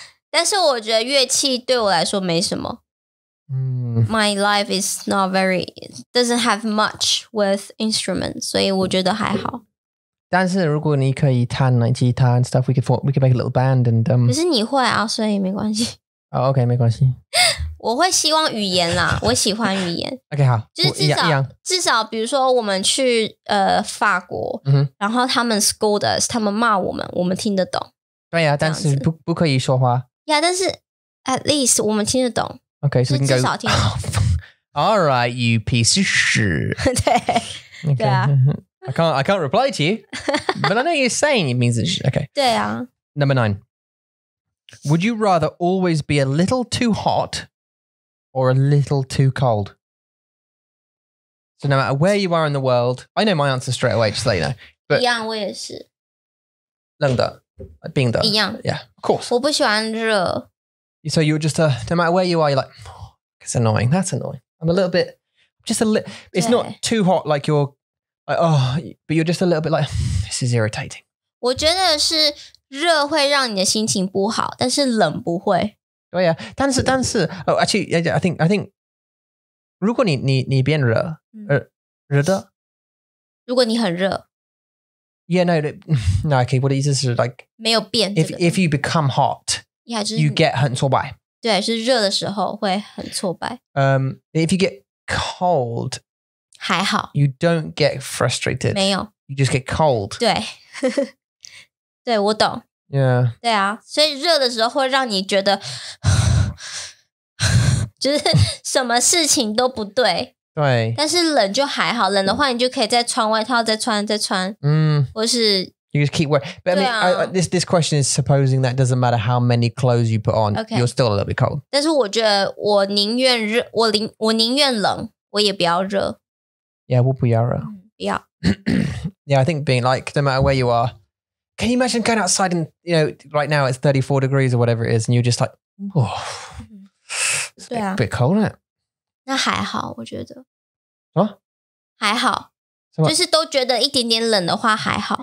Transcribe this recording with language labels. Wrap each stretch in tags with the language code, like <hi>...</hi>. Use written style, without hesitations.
<zh>但是我觉得乐器对我来说没什么。</zh> <en>My life is not very, doesn't have much with instruments,</en> <zh>所以我觉得还好。但是如果你可以弹</zh> <en>like吉他and stuff, we could make a little band and...</en> <zh>可是你会啊，所以没关系。</zh> <en>Oh, okay,</en> <zh>没关系。我会希望语言啦，我喜欢语言。 OK， 好，就是至少比如说我们去法国，嗯，然后他们</zh> <en>scold us，</en> <zh>他们骂我们，我们听得懂。对呀，但是不可以说话。 Yeah， 但是</zh> <en>at least</en> <zh>我们听得懂。</zh> <en>OK，</en> <zh>就至少听得懂。</zh> <en>All right, you piece of shit.</en> <zh>对，</zh> <en>okay.</en> <zh>对啊。</zh> <en>I can't reply to you, but I know you're saying it means it's okay.</en> <zh>对啊。</zh> <en>Number 9. Would you rather always be a little too hot or a little too cold? So no matter where you are in the world, I know my answer straight away, just to let you know.</en> <zh>一样，我也是。冷的，冰的。一样。</zh> <en>Yeah, of course.</en> <zh>我不喜欢热。</zh> <en>So you're just, no matter where you are, you're like, oh, it's annoying, that's annoying. I'm a little bit, just a little, it's not too hot like you're, like, oh, but you're just a little bit like, this is irritating.</en> <zh>我觉得是热会让你的心情不好，但是冷不会。对呀，但是</zh> <en>oh, actually, yeah, I think,</en> <zh>如果你变热，热的。如果你很热。</zh> <en>Yeah, no, okay, what it is like,</en> <zh>没有变。</zh> <en>If you become hot, yeah, you get</en> <zh>很挫败。对，是热的时候会很挫败。</zh> <en>If you get cold,</en> <zh>还好。</zh> <en>You don't get frustrated.</en> <zh>没有。</zh> <en>You just get cold.</en> <zh>对。对，我懂。</zh> <en>Yeah.</en> <zh>对啊，所以热的时候会让你觉得，就是什么事情都不对。对。但是冷就还好，冷的话你就可以再穿外套，再穿。或是。</zh> <en>You just keep wearing. But I mean, this question is supposing that it doesn't matter how many clothes you put on,、 okay. you're still a little bit cold.</en> <zh>但是我觉得我宁愿冷，我也不要热。 Yeah, 我不要热。不要。</zh> <en>Yeah, I think being like, no matter where you are, can you imagine going outside and, you know, right now it's 34 degrees or whatever it is, and you're just like, oh, it's a bit cold, isn't it?</en> <zh>那还好，我觉得。啊？还好。就是都觉得一点点冷的话还好。</zh>